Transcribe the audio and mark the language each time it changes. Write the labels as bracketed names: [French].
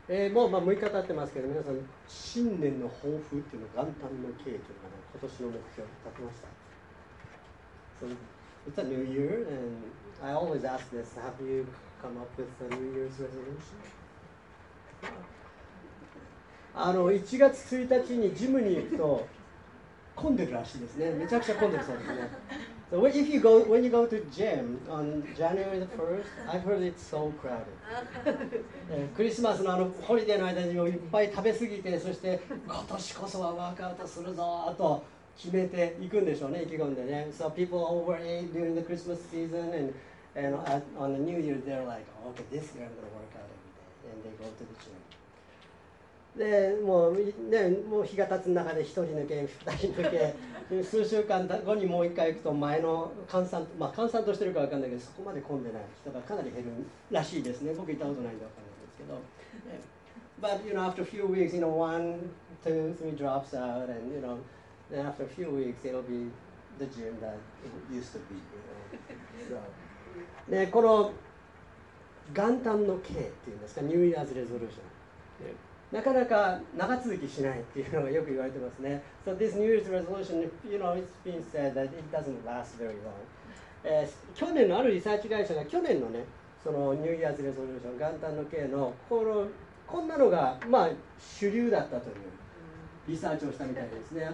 [Japanese] もうまあ6日経ってますけど、皆さん新年の抱負っていうのは、元旦の経営というのかな、今年の目標立てました。 [English] It's a new year, and I always ask this. Have you come up with a New Year's resolution? [Japanese] あの1月1日にジムに行くと混んでるらしいですね。めちゃくちゃ混んでるそうですね。 [English] So if you go, when you go to gym on January the 1st, I've heard it's so crowded. [Japanese] クリスマスのあのホリデーの間にもいっぱい食べ過ぎて、そして今年こそはワークアウトするぞと決めていくんでしょうね、意気込んでね。 [English] So people overeat during the Christmas season and on the New Year they're like, okay, this year I'm gonna work out every day. And they go to the gym. [Japanese] でもうね、もう日が経つ中で1人抜け、2人抜け、数週間後にもう1回行くと前の閑散、まあ、閑散としてるか分かんないけど、そこまで混んでない人がかなり減るらしいですね。僕行ったことないんで分かんないですけど。 [English] But you know, after a few weeks, you know, one, two, three drops out, and you know, then after a few weeks, it'll be the gym that it used to be. You know? So, [Japanese] でこの元旦の計っていうんですか、New Year's Resolution。なかなか長続きしないっていうのがよく言われてますね。 [English] So this New Year's resolution, you know, it's been said that it doesn't last very long. [Japanese] 去年のあるリサーチ会社が去年のね、その New Year's resolution, 元旦の計のこんなのが、まあ、主流だったというリサーチをしたみたいですね。